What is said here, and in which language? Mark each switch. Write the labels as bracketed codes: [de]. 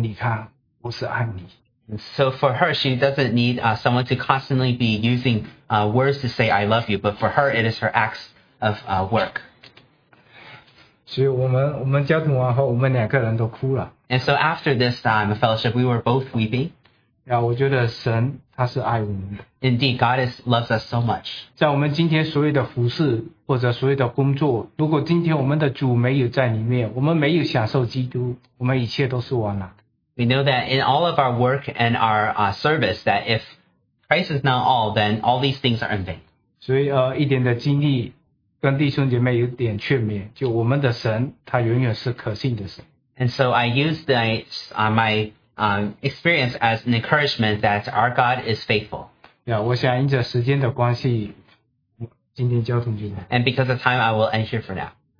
[zh] 她说她不喜欢就是常常挂在嘴边说爱你,她就是愿行动来做给你看,我是爱你。 [en] So for her, she doesn't need someone to constantly be using words to say I love you, but for her, it is her acts of work. [zh] 所以我们交通完后,我们两个人都哭了。 [en] And so after this time of fellowship, we were both weeping. Yeah, [zh] 我觉得神他是爱我们的。 [en] Indeed, God loves us so much. [zh] 在我们今天所有的服事或者所有的工作，如果今天我们的主没有在里面，我们没有享受基督，我们一切都是枉然。 [en] We know that in all of our work and our service, that if Christ is not all, then all these things are in vain. [zh] 所以一点的经历跟弟兄姐妹有点劝勉，就我们的神他永远是可信的神。 [en] And so I use my experience as an encouragement that our God is faithful. Yeah, and because of time, I will end here for now.